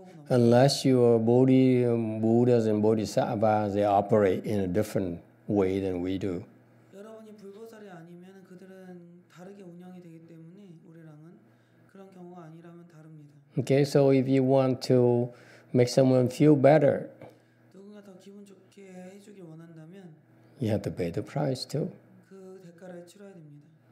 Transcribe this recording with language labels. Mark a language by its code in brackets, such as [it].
[en] Unless you are Buddhas and Bodhisattvas, they operate in a different way than we do. [ko] 여러분이 불보살이 아니면 그들은 다르게 운영이 되기 때문에 우리랑은 그런 경우가 아니라면 다릅니다. [en] Okay, so if you want to make someone feel better, [ko] 누군가 더 기분 좋게 해주길 원한다면, [en] you have to pay the price too. [ko] 그 대가를 치러야 됩니다.